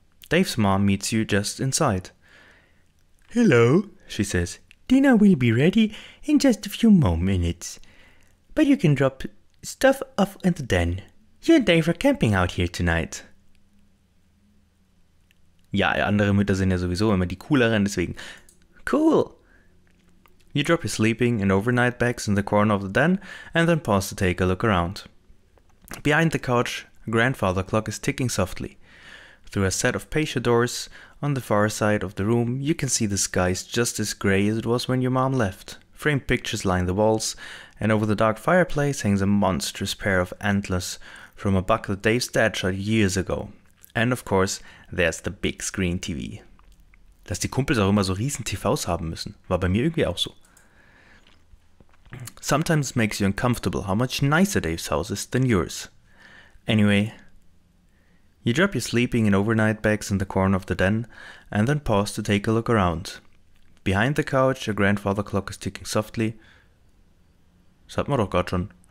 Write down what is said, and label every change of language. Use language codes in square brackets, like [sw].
[en] Dave's mom meets you just inside. Hello, she says. Dinner will be ready in just a few more minutes. But you can drop stuff off in the den. You and Dave are camping out here tonight. [de] Ja, andere Mütter sind ja sowieso immer die cooleren, deswegen. [en] Cool. You drop your sleeping and overnight bags in the corner of the den and then pause to take a look around. Behind the couch, a grandfather clock is ticking softly. Through a set of patio doors on the far side of the room, you can see the sky is just as gray as it was when your mom left. Framed pictures line the walls, and over the dark fireplace hangs a monstrous pair of antlers from a buck that Dave's dad shot years ago. And of course, there's the big screen TV. [de] Dass die Kumpels auch immer so riesen TVs haben müssen, war bei mir irgendwie auch so. [en] Sometimes it makes you uncomfortable how much nicer Dave's house is than yours. Anyway, you drop your sleeping and overnight bags in the corner of the den and then pause to take a look around. Behind the couch, a grandfather clock is ticking softly. [de] Das hat man doch gerade schon.